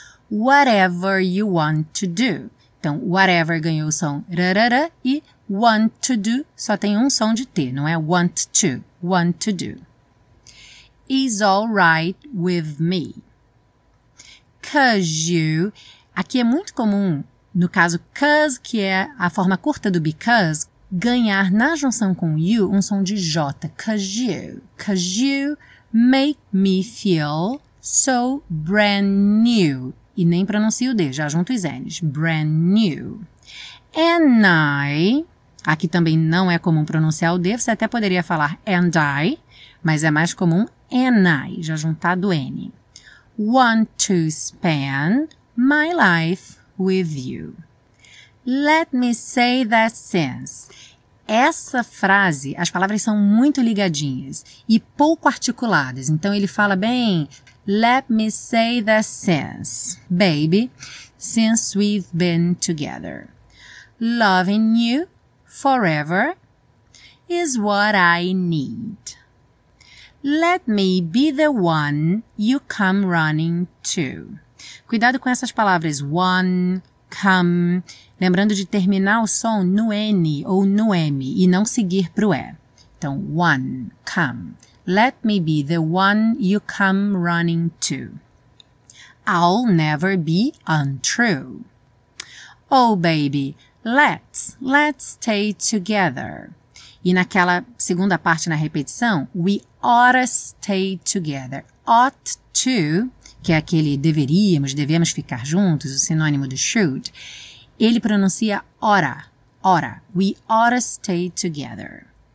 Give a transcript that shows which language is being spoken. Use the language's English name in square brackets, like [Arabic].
[English] Whatever you want to do. [Portuguese] Então, whatever ganhou o som rarara e [English] want to do [Portuguese] só tem um som de T, não é [English] want to. Want to do. Is all right with me. 'Cause you. [Portuguese] Aqui é muito comum, no caso 'cause, que é a forma curta do because, ganhar na junção com you um som de J. [English] 'Cause you. 'Cause you make me feel so brand new. [Portuguese] E nem pronuncio o D, já junto os N's. [English] Brand new. [Portuguese] And I. Aqui também não é comum pronunciar o D, você até poderia falar [English] and I, [Portuguese] mas é mais comum and I, já juntado N. [English] Want to spend my life with you. Let me say that since. [Portuguese] Essa frase, as palavras são muito ligadinhas e pouco articuladas, então ele fala bem. [English] Let me say that since, baby, since we've been together. Loving you forever is what I need. Let me be the one you come running to. [Portuguese] Cuidado com essas palavras, one, come, lembrando de terminar o som no N ou no M e não seguir para o E. Então, one, come. [English] Let me be the one you come running to. I'll never be untrue. Oh, baby, let's stay together. [Portuguese] E naquela segunda parte na repetição, [English] we oughta stay together. [Portuguese] Ought to, que é aquele devemos ficar juntos, o sinônimo do should, ele pronuncia oughta. [English] We oughta stay together.